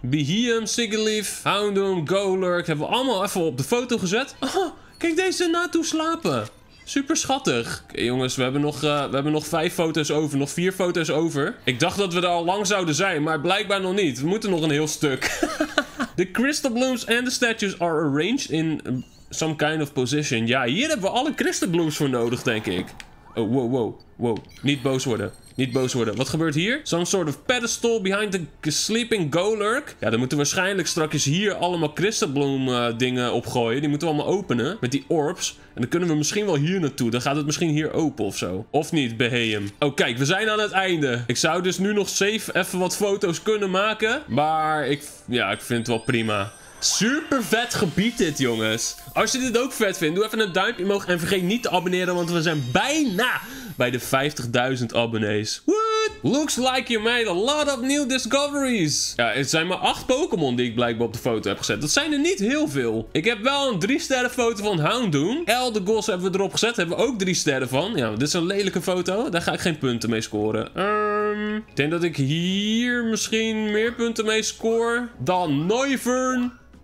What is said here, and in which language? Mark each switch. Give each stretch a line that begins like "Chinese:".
Dutch: Behem, Sigilyph, Houndoom, Golurk. Hebben we allemaal even op de foto gezet. Oh, kijk deze Natu slapen. Super schattig. Oké, jongens, we hebben nog 5 foto's over. Nog 4 foto's over. Ik dacht dat we er al lang zouden zijn, maar blijkbaar nog niet. We moeten nog een heel stuk.
English: The crystal blooms and the statues are arranged in some kind of position.
Dutch: Ja, hier hebben we alle crystal blooms voor nodig, denk ik. Oh, wow, wow, wow. Niet boos worden. Niet boos worden. Wat gebeurt hier?
English: Some sort of pedestal behind the sleeping Golurk.
Dutch: Ja, dan moeten we waarschijnlijk straks hier allemaal crystal bloom dingen opgooien. Die moeten we allemaal openen met die orbs. En dan kunnen we misschien wel hier naartoe. Dan gaat het misschien hier open of zo. Of niet, Behem. Oh, kijk, we zijn aan het einde. Ik zou dus nu nog safe even wat foto's kunnen maken. Maar ik vind het wel prima. Super vet gebied dit, jongens. Als je dit ook vet vindt, doe even een duimpje omhoog. En vergeet niet te abonneren, want we zijn bijna bij de 50.000 abonnees.
English: What? Looks like you made a lot of new discoveries.
Dutch: Ja, het zijn maar 8 Pokémon die ik blijkbaar op de foto heb gezet. Dat zijn er niet heel veel. Ik heb wel een 3-sterren foto van Houndoom. Eldegoss hebben we erop gezet. Hebben we ook 3 sterren van. Ja, dit is een lelijke foto. Daar ga ik geen punten mee scoren. Ik denk dat ik hier misschien meer punten mee score dan Noivern.